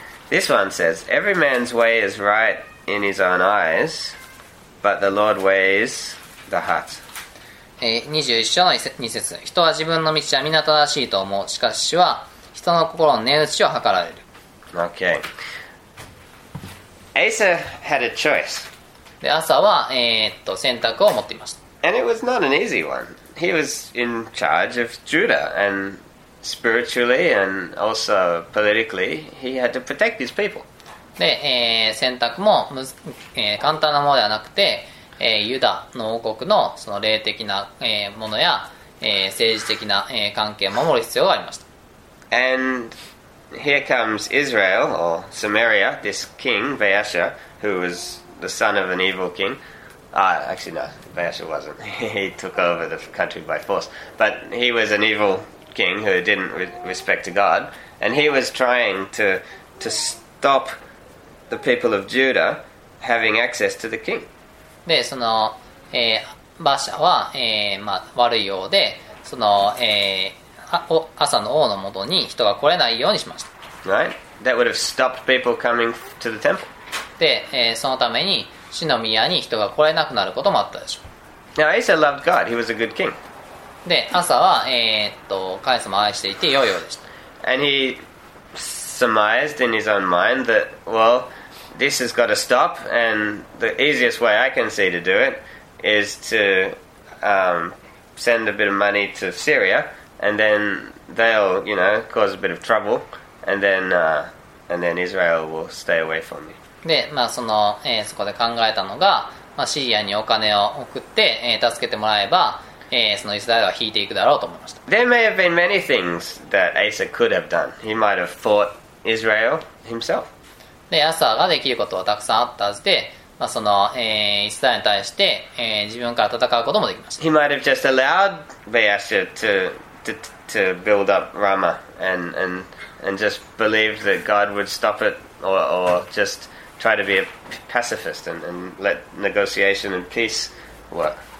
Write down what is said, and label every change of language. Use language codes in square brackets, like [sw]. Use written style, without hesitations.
[en] This one says, Every man's way is right in his own eyes. But the Lord weighs the heart. [ja] 21章の2節、人は自分の道は皆正しいと思う。しかし主は人の心の値打ちを測られる。 [en] Okay. Asa had a choice. [ja] で、アサは、選択を持っていました。 [en] And it was not an easy one. He was in charge of Judah, and spiritually and also politically, he had to protect his people. [ja] で、選択も簡単なものではなくて、ユダの王国 の, その霊的な、ものや、政治的な、関係を守る必要がありました。 [en] And here comes Israel or Samaria, this king, Baasha, who was the son of an evil king. Baasha wasn't. He took over the country by force. But he was an evil king who didn't respect to God. And he was trying to stop... The people of Judah having access to the king. [ja] で、その、バシャは、悪い王で、その、朝の王のもとに人が来れないようにしました。 [en] Right? That would have stopped people coming to the temple. [ja] で、そのために、主の宮に人が来れなくなることもあったでしょう。 [en] Now, Asa loved God. He was a good king. [ja] で、朝は、神様を愛していて良い王でした。 [en] And he... Surmised in his own mind that, well, this has got to stop, and the easiest way I can see to do it is to send a bit of money to Syria, and then they'll, you know, cause a bit of trouble, and then Israel will stay away from me. [ja] で、まあその、そこで考えたのが、まあシリアにお金を送って、助けてもらえば、そのイスラエルは引いていくだろうと思いました。 [en] There may have been many things that Asa could have done. He might have fought. Israel himself. [ja] で、アサができることはたくさんあったはずで、まあ、その、イスラエルに対して、自分から戦うこともできました。 [en] He might have just allowed Baasha to build up Ramah and just believed that God would stop it or just try to be a pacifist and let negotiation and peace work.